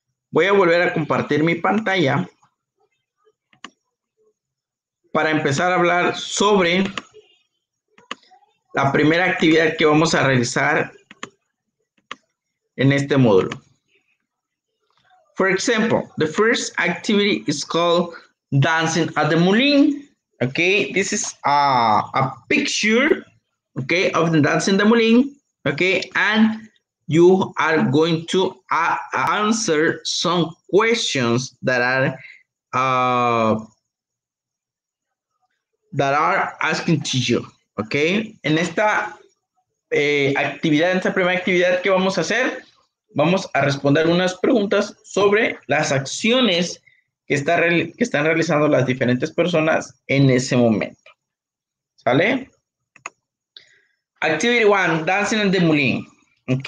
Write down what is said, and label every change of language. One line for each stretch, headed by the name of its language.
Spanish: Voy a volver a compartir mi pantalla para empezar a hablar sobre la primera actividad que vamos a realizar en este módulo.
English: For example, the first activity is called Dancing at the Moulin. Okay, this is a picture, okay, of the dance in the Moulin. Okay, and you are going to answer some questions that are asking to you.
Spanish: Okay, en esta actividad, en esta primera actividad que vamos a hacer, vamos a responder unas preguntas sobre las acciones que están realizando las diferentes personas en ese momento. ¿Sale?
English: Activity 1, Dancing in the Moulin. ¿Ok?